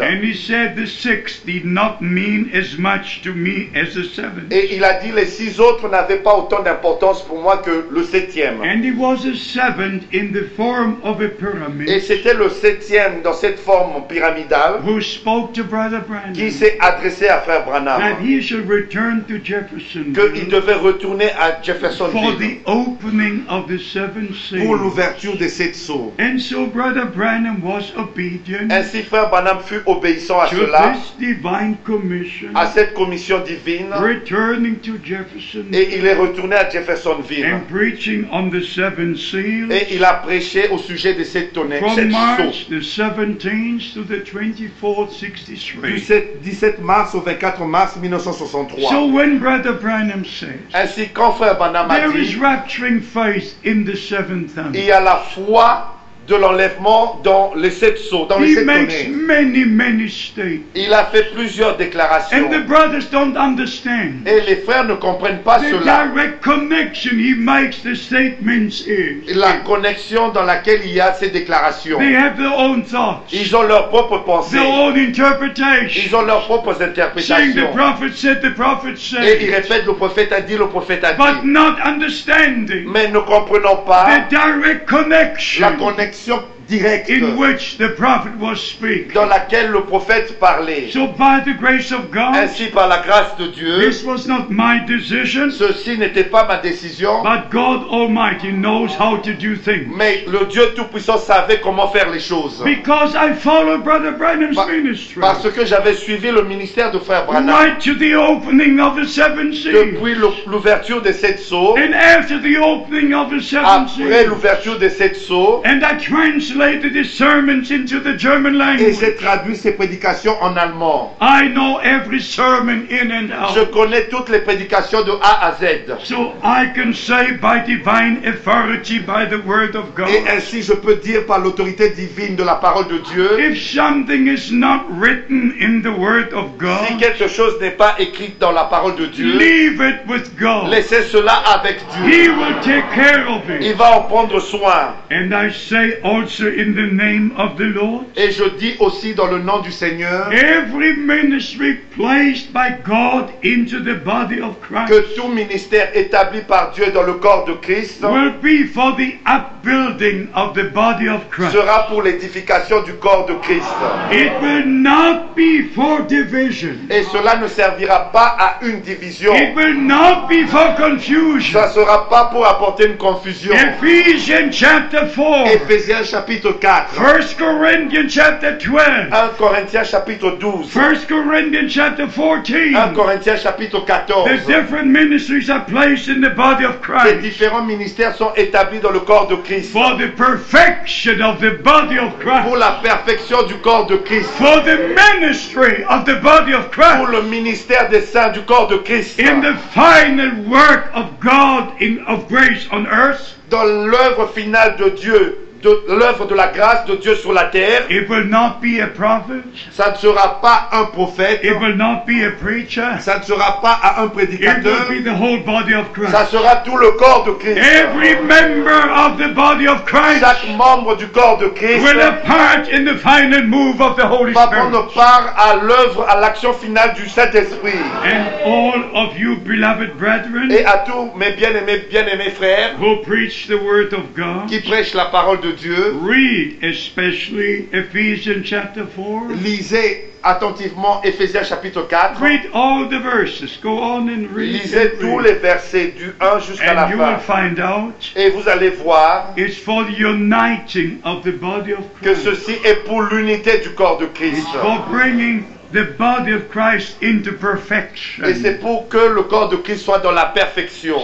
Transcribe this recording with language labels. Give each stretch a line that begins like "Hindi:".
English: And he said the sixth did not mean as much to me as the seventh.
French: Et il a dit les six autres n'avaient pas autant d'importance pour moi que le septième.
English: And he was a seventh in the form of a pyramid.
French: Et c'était le septième dans cette forme pyramidale.
English: Who spoke to Brother Branham?
French: Qui s'est adressé à Frère Branham?
English: That he should return to Jeffersonville.
French: Que il devait retourner à Jeffersonville.
English: For the opening of the seven seals.
French: Pour l'ouverture des sept sceaux.
English: And so Brother Branham was obedient.
French: Ainsi Frère Branham fut obéissant à
English: to
French: cela.
English: To this divine commission.
French: À cette commission divine.
English: Returning to Jeffersonville.
French: Et il est retourné à Jeffersonville.
English: And preaching on the seven seals.
French: Et il a prêché au sujet des sept tonnets.
English: From
French: sept
English: March
French: sceaux.
English: The 17th to the 24th,
French: 63. Du 17 mars au 24 mars 1963.
English: So when Brother Branham says,
French: ainsi quand Frère Branham a dit,
English: there is rapturing faith in the seventh angel.
French: Il y a la foi de l'enlèvement dans les sept sceaux, dans
English: he
French: les sept tonnets.
English: Makes many, many statements.
French: Il a fait plusieurs déclarations.
English: And the brothers don't understand.
French: Et les frères ne comprennent pas
English: the
French: cela.
English: Direct connection he makes the statements is.
French: La connexion dans laquelle il y a ces déclarations.
English: They have their own thoughts.
French: Ils ont leurs propres pensées.
English: Their own interpretations.
French: Ils ont leurs propres interprétations.
English: Saying the prophet said, the prophet said.
French: Et ils répètent, le prophète a dit, le prophète a dit.
English: But not understanding.
French: Mais ne comprenant pas
English: the direct connection.
French: La connexion directe
English: in which the prophet was speaking.
French: Dans laquelle le prophète parlait.
English: So by the grace of God,
French: ainsi par la grâce de Dieu,
English: this was not my decision,
French: ceci n'était pas ma décision,
English: but God Almighty knows how to do things.
French: Mais le Dieu Tout-Puissant savait comment faire les choses.
English: Because I followed Brother Branham's ministry.
French: Parce que j'avais suivi le ministère de Frère Branham.
English: Right to the opening of the seven seals.
French: Depuis l'ouverture des sept sceaux.
English: And after the opening of the seven seals.
French: Après l'ouverture des sept sceaux.
English: And I translated his sermons into the German language.
French: Et j'ai traduit ses prédications en allemand.
English: I know every sermon in and out.
French: Je connais toutes les prédications de A à Z.
English: So I can say by divine authority by the word of God.
French: Et ainsi je peux dire par l'autorité divine de la parole de Dieu.
English: If something is not written in the word of God.
French: Si quelque chose n'est pas écrit dans la parole de Dieu.
English: Leave it with God.
French: Laissez cela avec Dieu.
English: He will take care of it.
French: Il va en prendre soin.
English: And I say also in the name of the Lord.
French: Et je dis aussi dans le nom du Seigneur.
English: Every ministry placed by God into the body of Christ.
French: Que tout ministère établi par Dieu dans le corps de Christ.
English: Will be for the upbuilding of the body of Christ.
French: Sera pour l'édification du corps de Christ.
English: It will not be for division.
French: Et cela ne servira pas à une division.
English: It will not be for confusion.
French: Ça sera pas pour apporter une confusion.
English: Ephesians chapter 4.
French: Ephésiens chapitre 4. 1 Corinthiens chapitre 12. 1 Corinthiens chapitre 12. 1 Corinthiens chapitre 14. 1 Corinthiens chapitre 14.
English: The different ministries are placed in the body of Christ.
French: Les différents ministères sont établis dans le corps de Christ.
English: For the perfection of the body of Christ.
French: Pour la perfection du corps de Christ.
English: For the ministry of the body of Christ.
French: Pour le ministère des saints du corps de Christ.
English: In the final work of God in of grace on earth.
French: Dans l'œuvre finale de Dieu, de l'œuvre de la grâce de Dieu sur la terre.
English: It will not be a prophet.
French: Ça ne sera pas un prophète.
English: It will not be a preacher.
French: Ça ne sera pas un prédicateur.
English: It will be the whole body of Christ.
French: Ça sera tout le corps de Christ.
English: Every member of the body of Christ.
French: Chaque membre du corps de Christ.
English: Will a part in the final move of the Holy Spirit.
French: Va prendre part à l'œuvre, à l'action finale du Saint-Esprit.
English: And all of you beloved brethren.
French: Et à tous mes bien-aimés frères.
English: Who preach the word of God.
French: Qui prêchent la parole de Dieu.
English: Read especially Ephesians chapter 4.
French: Lisez attentivement Ephésiens chapitre 4.
English: Read all the verses. Go on and read.
French: Lisez tous les versets du 1 jusqu'à la fin.
English: And you will find out.
French: Et vous allez voir.
English: It's for the uniting of the body of Christ.
French: Que ceci est pour l'unité du corps de Christ.
English: It's for bringing the body of Christ into perfection.
French: Et c'est pour que le corps de Christ soit dans la perfection.